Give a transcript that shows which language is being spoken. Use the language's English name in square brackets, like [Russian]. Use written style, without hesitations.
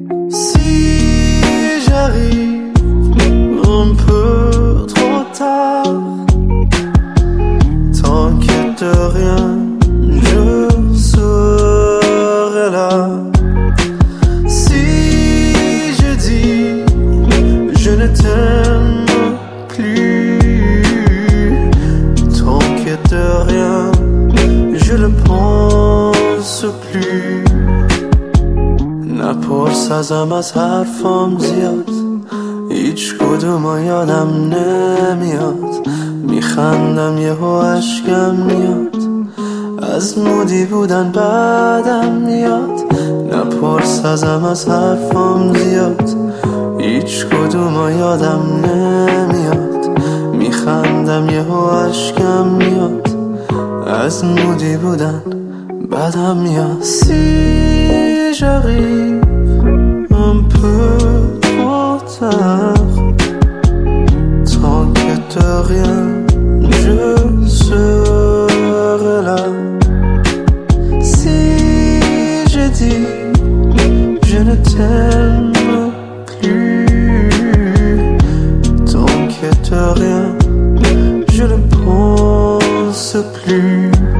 [French] Si j'arrive un peu trop tard, t'inquiète rien, je serai là. Si je dis je ne t'aime plus, t'inquiète rien, je ne pense plus. [Persian] نپرس ازم از حرفام زیاد، هیچ کدوم یادم نمیاد، میخندم یهو اشکم میاد، از مودی بودن بعدم میاد. نپرس ازم از حرفام زیاد، هیچ کدوم یادم نمیاد، میخندم یهو اشکم میاد، از مودی بودن بعدم میاد. [French] سی جاری un peu trop tard, t'inquiète rien, je serai là. Si j'ai dit je ne t'aime plus, t'inquiète rien, je ne pense plus.